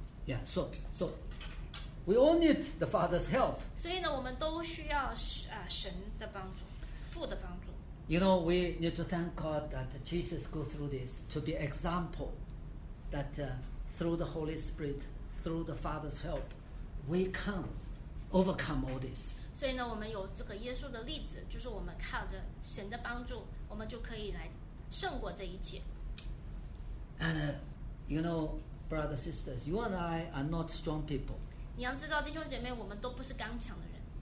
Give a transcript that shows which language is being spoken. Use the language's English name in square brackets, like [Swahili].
[English] Yeah, so we all need the Father's help. [Chinese] 所以呢，我们都需要神的帮助，父的帮助。 [English] You know, we need to thank God that Jesus go through this to be example that through the Holy Spirit, through the Father's help, we can overcome all this. [Chinese] 所以呢，我们有这个耶稣的例子，就是我们靠着神的帮助，我们就可以来胜过这一切。 [English] And you know, brothers, sisters, you and I are not strong people. [Chinese] 你要知道，弟兄姐妹，我们都不是刚强的人。